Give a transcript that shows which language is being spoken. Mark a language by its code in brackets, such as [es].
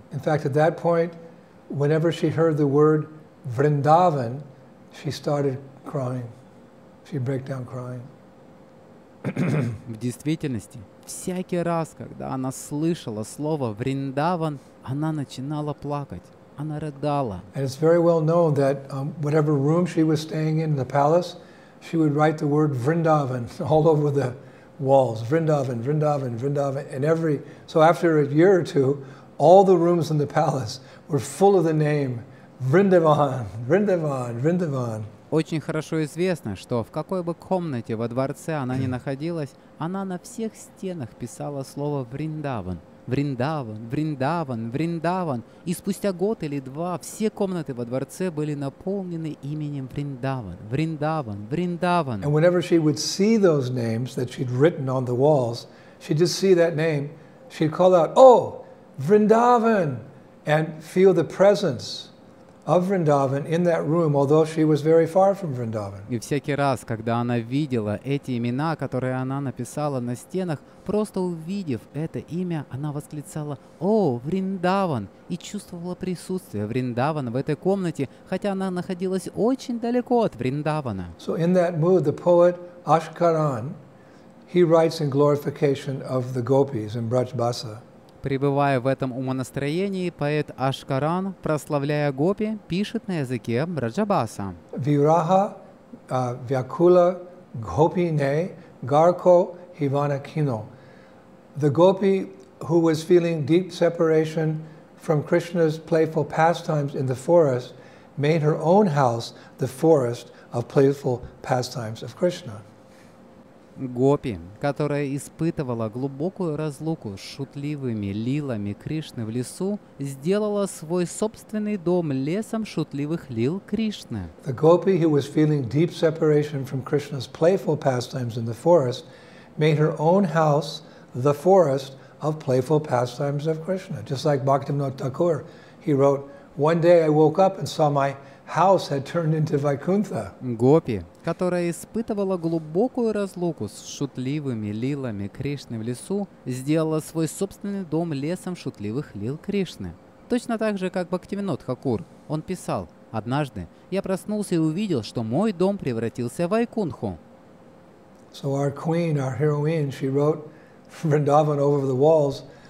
[en] In fact, at that point, whenever she heard the word Vrindavan, she started crying. She broke down crying. [ru] В действительности, всякий раз, когда она слышала слово «Вриндаван», она начинала плакать. Она рыдала. [en] And it's very well known that whatever room she was staying in the palace, she would write the word Vrindavan all over the walls. Vrindavan, Vrindavan, Vrindavan. And every so after a year or two, all the rooms in the palace were full of the name Vrindavan, Vrindavan, Vrindavan. [ru] Очень хорошо известно, что в какой бы комнате во дворце она ни находилась, она на всех стенах писала слово Vrindavan. Вриндаван, Вриндаван, Вриндаван. И спустя год или два все комнаты во дворце были наполнены именем Вриндаван, Вриндаван, Вриндаван. [en] And whenever she would see those names that she'd written on the walls, she'd just see that name, she'd call out, "Oh, Vriндаван!" And feel the presence of Vrindavan in that room, although she was very far from Vrindavan. [ru] И всякий раз, когда она видела эти имена, которые она написала на стенах, просто увидев это имя, она восклицала «О, Вриндаван!» и чувствовала присутствие Вриндавана в этой комнате, хотя она находилась очень далеко от Вриндавана. [en] So in that mood, the poet Ashkaran, he writes in glorification of the gopis in Brajbasa. [ru] Пребывая в этом умонастроении, поэт Ашкаран, прославляя гопи, пишет на языке Браджабаса. [bra] Вираха вякула гопине гарко хиванакино. [en] The gopi who was feeling deep separation from Krishna's playful pastimes in the forest made her own house the forest of playful pastimes of Krishna. [ru] Гопи, которая испытывала глубокую разлуку с шутливыми лилами Кришны в лесу, сделала свой собственный дом лесом шутливых лил Кришны. [en] The gopi who was feeling deep separation from Krishna's playful pastimes in the forest made her own house the forest of playful pastimes of Krishna. Just like Bhaktivinoda Thakur, he wrote, "One day I woke up and saw my house had turned into Vaikuntha." [ru] Гопи, которая испытывала глубокую разлуку с шутливыми лилами Кришны в лесу, сделала свой собственный дом лесом шутливых лил Кришны. Точно так же, как Бхактивинод Хакур. Он писал, «Однажды я проснулся и увидел, что мой дом превратился в Вайкунху». [en] So our queen, our heroine, she wrote Vrindavan over the walls.